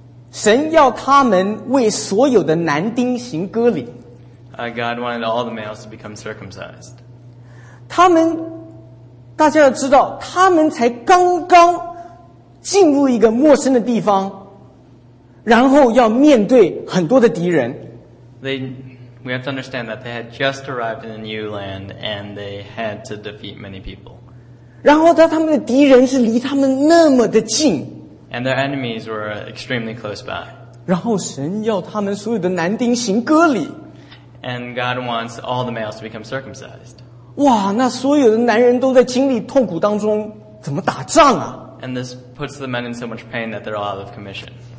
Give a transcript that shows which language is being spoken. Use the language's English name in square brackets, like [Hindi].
[Chinese] 神要他们为所有的男丁行割礼。 [English] God wanted all the males to become circumcised. [Chinese] 大家要知道, 他们才刚刚进入一个陌生的地方, 然后要面对很多的敌人。 [English] We have to understand that they had just arrived in a new land and they had to defeat many people. [Chinese] 然后他们的敌人是离他们那么的近。 [English] And their enemies were extremely close by. [Chinese] 然后神要他们所有的男丁行割礼。 [English] And God wants all the males to become circumcised. [Chinese] 哇，那所有的男人都在经历痛苦当中，怎么打仗啊？ [English] And this puts the men in so much pain that they're all out of commission.